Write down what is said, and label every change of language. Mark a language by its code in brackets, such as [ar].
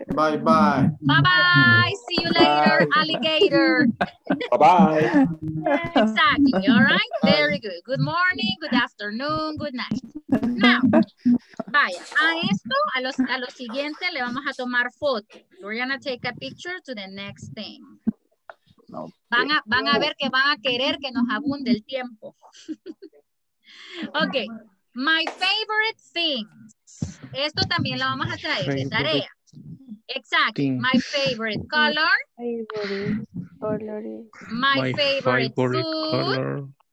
[en] Bye bye. Bye bye. See you later, bye. Alligator. Bye bye. Exactly. All right. Very good. Good morning. Good afternoon. Good night. Now, vaya. [es] A esto, a lo siguiente, le vamos a tomar foto. [en] We're going to take a picture to the next thing. [es] No. Van a ver que van a querer que nos abunde el tiempo. Ok. [en] My favorite things. [es] Esto también lo vamos a traer de tarea. [en] Exactly. My favorite color. My favorite food.